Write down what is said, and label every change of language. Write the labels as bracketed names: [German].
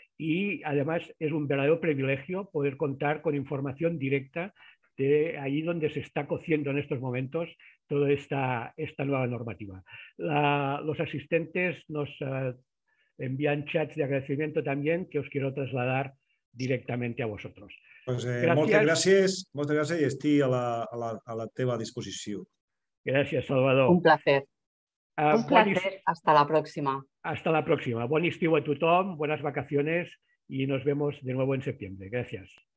[Spanish] Y además es un verdadero privilegio poder contar con información directa de ahí donde se está cociendo en estos momentos toda esta nueva normativa. Los asistentes nos envían chats de agradecimiento también que os quiero trasladar directamente a vosotros. [Catalan] Pues, moltes gràcies i estic a la teva disposició. Gràcies, Salvador. [Spanish] Un placer. Hasta la próxima. Hasta la próxima. Buen [Catalan] estiu a tothom, [Spanish] buenas vacaciones y nos vemos de nuevo en septiembre. Gracias.